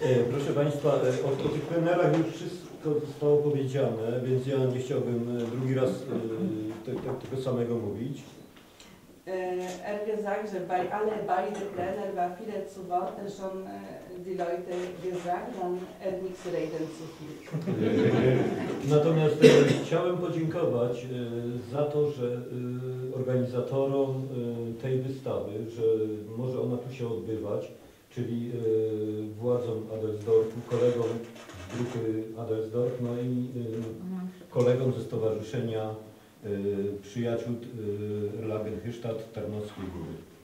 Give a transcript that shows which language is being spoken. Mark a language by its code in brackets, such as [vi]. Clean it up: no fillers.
[pl] Proszę Państwa, o tych plenerach już wszystko zostało powiedziane, więc ja nie chciałbym drugi raz tego samego mówić. [de] Er gesagt, bei alle beide Plenar war viele zu Worte schon die Leute gesagt, dann nichts reden zu viel. [pl] Natomiast chciałem podziękować za to, że organizatorom tej wystawy, że może ona tu się odbywać, czyli władzom Adelsdorfu, kolegom z grupy Adelsdorf, no i kolegom ze stowarzyszenia przyjaciół Lagenhyszczat Tarnowskiej Góry.